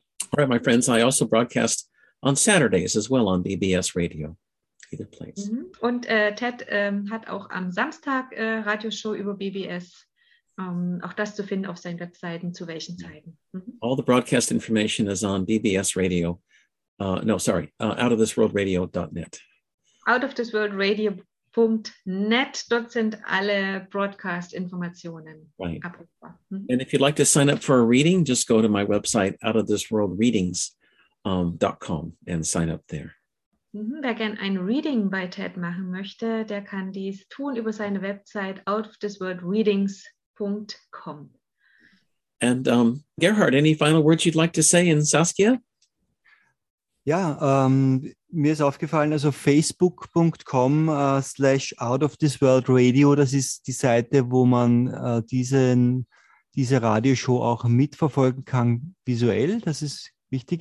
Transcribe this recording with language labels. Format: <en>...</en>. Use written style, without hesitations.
<en>All right, my friends, I also broadcast on Saturdays as well on BBS Radio, either place.</en> <de>Und Ted hat auch am Samstag Radioshow über BBS. Auch das zu finden auf seinen Webseiten, zu welchen Zeiten.</de> <en>All the broadcast information is on BBS Radio. Outofthisworldradio.net.</en> <de>Outofthisworldradio.net. Dort sind alle Broadcast-Informationen abrufbar.</de> <en>And if you'd like to sign up for a reading, just go to my website, outofthisworldreadings.com and sign up there.</en> <de>Wer gern ein Reading bei Ted machen möchte, der kann dies tun über seine Website, outofthisworldreadings.com.</de> <en>And Gerhard, any final words you'd like to say in Saskia?</en> <de>Ja, mir ist aufgefallen, also facebook.com/outofthisworldradio, das ist die Seite, wo man diese Radioshow auch mitverfolgen kann, visuell. Das ist wichtig.</de>